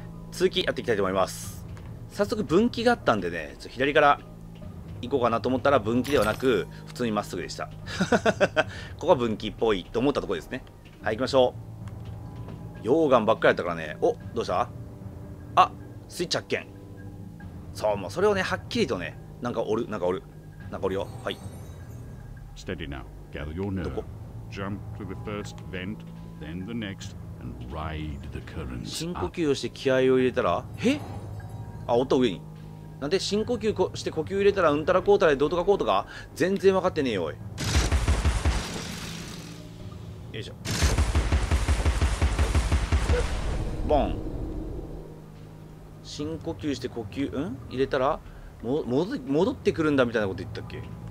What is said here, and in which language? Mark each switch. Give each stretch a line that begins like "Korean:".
Japanese: 続きやっていきたいと思います。早速分岐があったんでね、ちょっと左から行こうかなと思ったら分岐ではなく普通にまっすぐでした。ここは分岐っぽいと思ったところですね。はい、行きましょう。溶岩ばっかりだったからね。お、どうした？あ、スイッチ発見。そう、もうそれをね、はっきりとね、なんかおるよ。はい、
English: Steady now. Gather your nerve. Jump to the first vent, then the next, and ride the current.
Japanese: 深呼吸をして気合を入れたら、へ？あ、音上に。なんで深呼吸して呼吸入れたらうんたらこうたらどうとかこうとか全然分かってねえよ。おい。よいしょ。ボン。深呼吸して呼吸入れたら戻ってくるんだみたいなこと言ったっけ？